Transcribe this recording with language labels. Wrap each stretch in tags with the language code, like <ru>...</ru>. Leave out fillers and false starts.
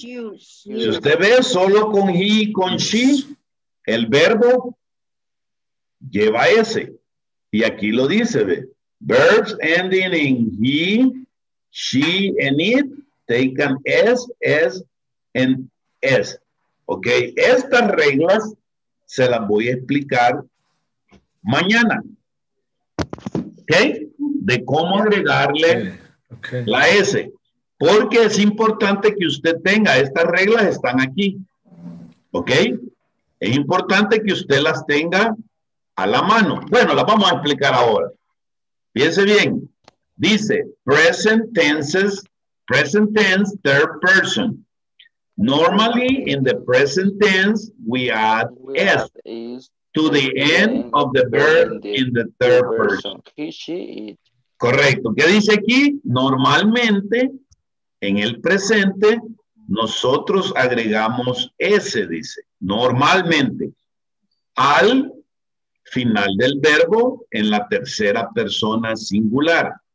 <es>Si usted ve, solo con he y con she, el verbo lleva ese. Y aquí lo dice, ve.</es> <en>Verbs ending in he, she, and it take an S, S, and S.</en> <es>Ok, estas reglas se las voy a explicar mañana. Ok, de cómo agregarle la S. Porque es importante que usted tenga, estas reglas están aquí. ¿Ok? Es importante que usted las tenga a la mano. Bueno, las vamos a explicar ahora. Piense bien. Dice,</es> <en>present tenses, present tense, third person. Normally, in the present tense, we add S to the end of the verb in the third person.</en> <es>Correcto. ¿Qué dice aquí? Normalmente, en el presente, nosotros agregamos S, dice, normalmente, al final del verbo en la tercera persona singular.</es>